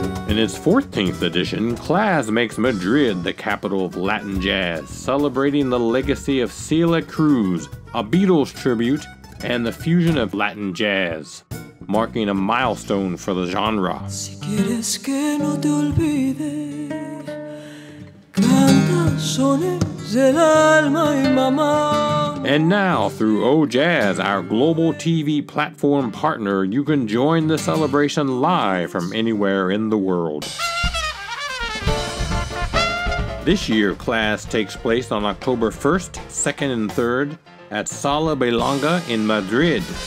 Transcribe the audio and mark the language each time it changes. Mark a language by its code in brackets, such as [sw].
[en] In its 14th edition, Clazz makes Madrid the capital of Latin jazz, celebrating the legacy of Celia Cruz, a Beatles tribute, and the fusion of Latin jazz, marking a milestone for the genre. [es] Si quieres que no te olvide, canta sones del alma y mamá. [en] And now, through O Jazz, our global TV platform partner, you can join the celebration live from anywhere in the world. This year, Clazz takes place on October 1st, 2nd, and 3rd at Sala Belonga in Madrid.